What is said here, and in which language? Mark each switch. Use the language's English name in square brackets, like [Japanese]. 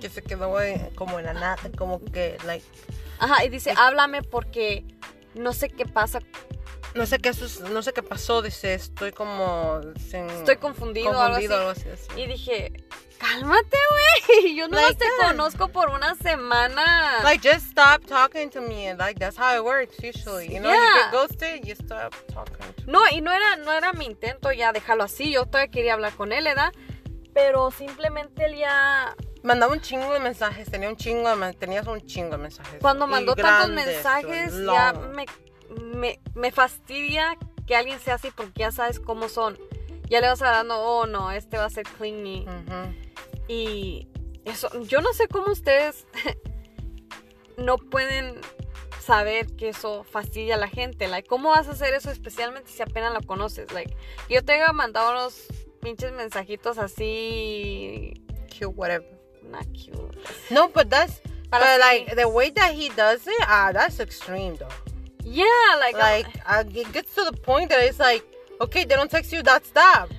[Spanish] Que se quedó como en la nada, como que... Ajá, y dice, háblame porque no sé qué pasa... No sé qué pasó, dice, estoy como... Estoy confundido, algo así. Y dije, cálmate, güey, yo no te conozco por una semana. [English] Just stop talking to me, that's how it works usually. You know, yeah. You get ghosted, you stop talking to me. [Spanish] No, y no era mi intento ya dejarlo así, yo todavía quería hablar con él, ¿verdad? Pero simplemente él ya... Mandaba un chingo de mensajes, tenías un chingo de mensajes. Cuando mandó tantos mensajes, ya me fastidia que alguien sea así, porque ya sabes cómo son. Ya le vas hablando, no, este va a ser clingy. Uh-huh. Y eso, yo no sé cómo ustedes no pueden saber que eso fastidia a la gente. ¿Cómo vas a hacer eso, especialmente si apenas lo conoces? Yo te he mandado unos pinches mensajitos así... [English] Cute, whatever. Not cute. No, but that's... Para but, the way that he does it, that's extreme, though. Yeah, it gets to the point that it's like, okay, they don't text you, that's that.